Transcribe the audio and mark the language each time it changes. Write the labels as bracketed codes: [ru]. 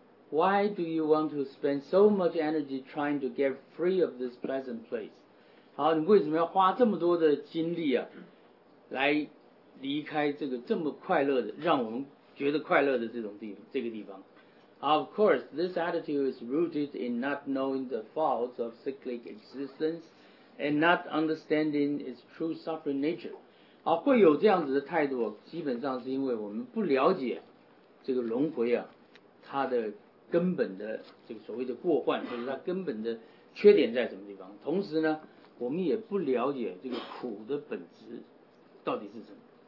[en] Why do you want to spend so much energy trying to get free of this pleasant place? [zh] 好，你为什么要花这么多的精力啊，来离开这个这么快乐的，让我们觉得快乐的这种地方，这个地方。 [en] Of course, this attitude is rooted in not knowing the faults of cyclic existence and not understanding its true suffering nature. [zh] 啊，会有这样子的态度，基本上是因为我们不了解这个轮回啊，它的根本的这个所谓的过患，或者它根本的缺点在什么地方。同时呢，我们也不了解这个苦的本质到底是什么。